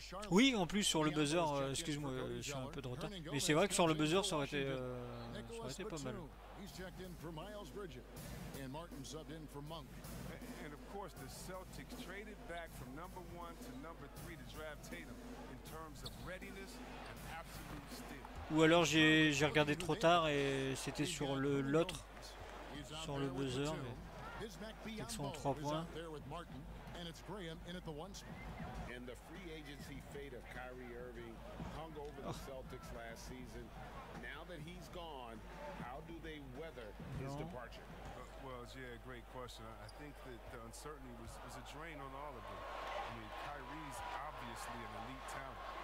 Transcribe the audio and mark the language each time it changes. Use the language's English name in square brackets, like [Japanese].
[French] Oui, en plus sur le buzzer, excuse-moi, je suis un peu de retard. Mais c'est vrai que sur le buzzer, ça aurait été pas mal. [English] He's checked in for Miles Bridges, and Martin subbed in for Monk. And of course, the Celtics traded back from number one to number three to draft Tatum in terms of readiness and absolute steel. [French] Ou alors j'ai regardé trop tard et c'était sur l'autre, sur le buzzer. Mais peut-être sont 3 points. [English] And it's Graham in at the one spot. And the free agency fate of Kyrie Irving hung over the Celtics last season. Now that he's gone, how do they weather his departure? Well, yeah, great question. I think that the uncertainty was a drain on all of them. I mean, Kyrie's obviously an elite talent.